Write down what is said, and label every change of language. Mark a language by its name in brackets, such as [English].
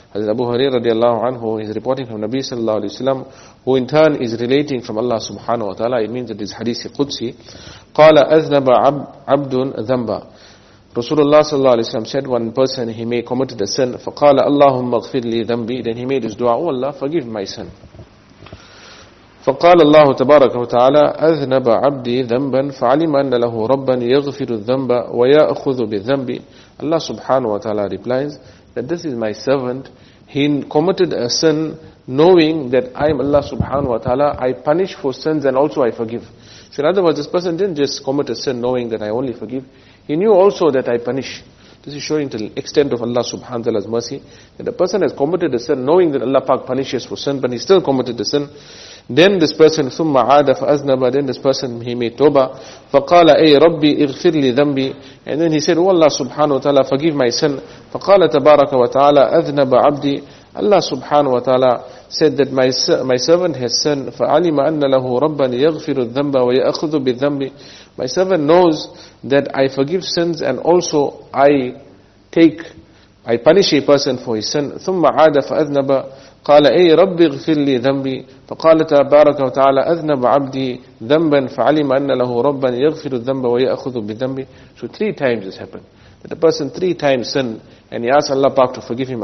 [English] Hazrat Abu Hurairah radiallahu anhu is reporting from Nabi sallallahu alayhi wa sallam, who in turn is relating from Allah subhanahu wa ta'ala. It means that this hadith is Qudsi. [Arabic] Qala aznaba abdun dhamba. [English] Rasulullah sallallahu alayhi wa sallam said, one person he may commit a sin. [Arabic] Faqala Allahumma ghfir li dhambi. [English] Then he made his dua, oh Allah, forgive my sin. [Arabic] فقال الله تبارك وتعالى أذنب عبدي ذنبا فعلم أن له ربا يغفر الذنب ويأخذ بالذنب. [English] Allah subhanahu wa ta'ala replies that this is my servant, he committed a sin knowing that I am Allah subhanahu wa ta'ala, I punish for sins and also I forgive. So in other words, this person didn't just commit a sin knowing that I only forgive, he knew also that I punish. This is showing to the extent of Allah subhanahu wa ta'ala's mercy, that a person has committed a sin knowing that Allah Pak punishes for sin, but he still committed the sin. Then this person, [Arabic] ثم عاد فأذنب, [English] then this person, he made tawbah. [Arabic] فقال أي ربي اغفر لي ذنبي. [English] And then he said, oh Allah subhanahu wa ta'ala, forgive my sin. [Arabic] فقال تبارك وتعالى أذنب عبدي. [English] Allah subhanahu wa ta'ala said that my servant has sinned. [Arabic] فعلم أن له ربا يغفر الذنب ويأخذ بالذنب. [English] My servant knows that I forgive sins and also I punish a person for his sin. [Arabic] ثم عاد فأذنب. قال أي ربي اغفر لي ذنبي فقال تبارك وتعالى أذنب عبدي ذنبا فعلم أن له ربا يغفر الذنب ويأخذ بالذنب. [English] So three times this happened, that the person three times sinned and he asked Allah Pak to forgive him.